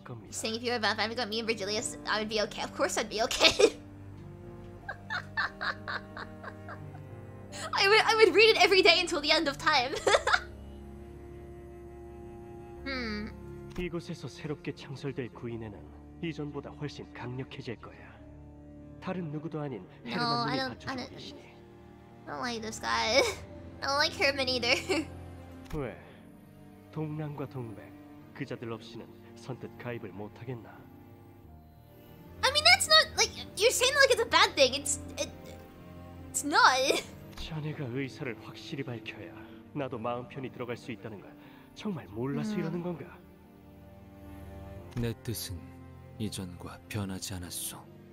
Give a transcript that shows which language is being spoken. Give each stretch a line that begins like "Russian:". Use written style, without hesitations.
English: Saying if you were a fanfic about me and Virgilius, I would be okay. Of course I'd be okay. I would read it every day until the end of time.
Korean: 이곳에서 새롭게 창설될 구인회는 이전보다 훨씬 강력해질 거야. 다른 누구도 아닌 헤르만이
English: I don't like this guy. I don't like Herman either.
Korean: 왜? 동남과 동백 그자들 없이는 선뜻 가입을 못 하겠나?
English: I mean that's not like you're saying like it's a bad thing. It's not.
Korean: 자네가 의사를 확실히 밝혀야 나도 마음 편히 들어갈 수 있다는 걸 정말 몰라서 이러는 건가? 내 뜻은 이전과 변하지 않았소.